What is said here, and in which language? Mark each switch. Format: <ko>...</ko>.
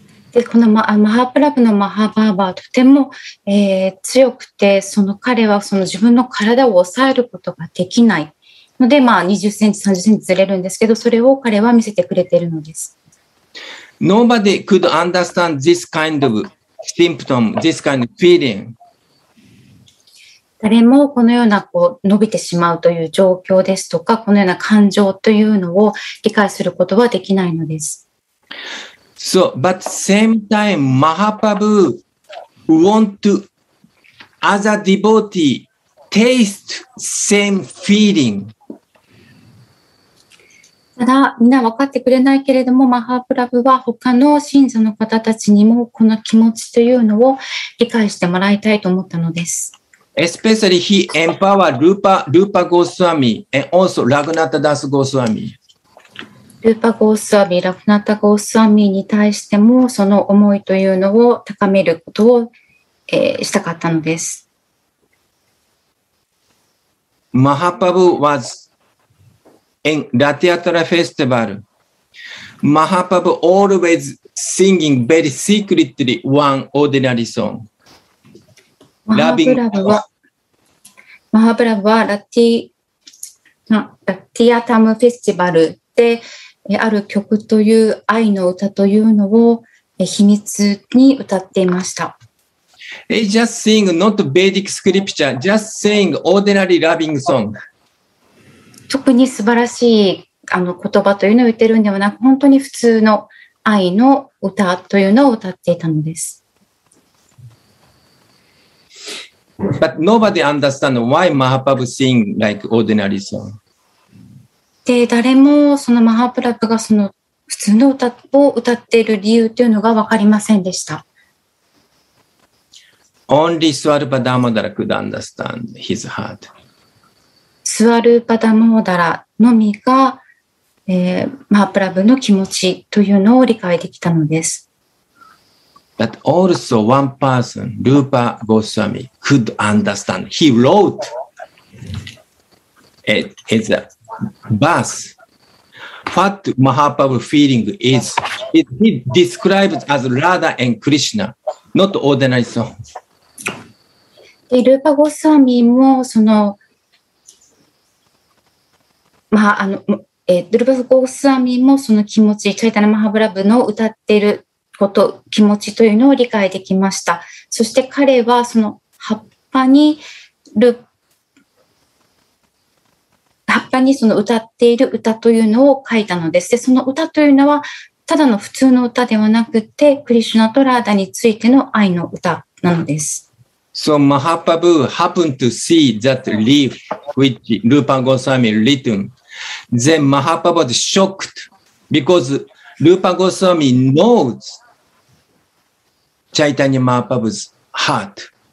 <ja>で、このマハプラブのマハバーバーはとても、強くて、その彼はその自分の体を抑えることができないので、まあ、20センチ、30センチずれるんですけど、それを彼は見せてくれているのです。</ja> <en>Nobody could understand this kind of symptom, this kind of feeling.</en> <ja>誰もこのようなこう伸びてしまうという状況ですとか、このような感情というのを理解することはできないのです。</ja> <en>So, but same time, Mahaprabhu want to, as a devotee, taste same feeling.</en> <ja>ただ、みんな分かってくれないけれども、マハプラブは他の信者の方たちにもこの気持ちというのを理解してもらいたいと思ったのです。</ja> <en>Especially he empowered Rupa Goswami and also Raghunatha Das Goswami.</en> <ja>Rupa Goswami, Raghunatha Goswami に対してもその思いというのを高めることを、したかったのです。</ja> <en>Mahaprabhu was in Ratiyatra Festival. Mahaprabhu always singing very secretly one ordinary song.</en> <ja>マハプラブはラティアタムフェスティバルである曲という愛の歌というのを秘密に歌っていました。</ja> <en>He just sing not Vedic scripture, just sing ordinary loving song.</en> <ja>特に素晴らしい言葉というのを言ってるんではなく、本当に普通の愛の歌というのを歌っていたのです。</ja> <en>But nobody understands why Mahaprabhu sing like ordinary song.</en> <ja>で、誰もそのマハプラブがその普通の歌を歌っている理由というのが分かりませんでした。</ja> <en>Only Swarupa Damodara could understand his heart.</en> <ja>スワルパダモダラのみが、マハプラブの気持ちというのを理解できたのです。</ja> <en>But also one person, Rupa Goswami, could understand. He wrote it as a verse. What Mahaprabhu feeling is, he described as Radha and Krishna, not ordinary song.</en> <ja>Rupa Goswami もその、まあ、Rupa Goswami もその気持ち、チャイタナ・マハプラブの歌っていること気持ちというのを理解できました。そして彼はその葉っぱにその歌っている歌というのを書いたのです。で、その歌というのはただの普通の歌ではなくて、クリシュナとラーダについての愛の歌なのです。</ja> <en>So Mahaprabhu happened to see that leaf which Rupa Goswami written. Then Mahaprabhu was shocked because Rupa Goswami knows Chaitanya Mahaprabhu's heart.</en>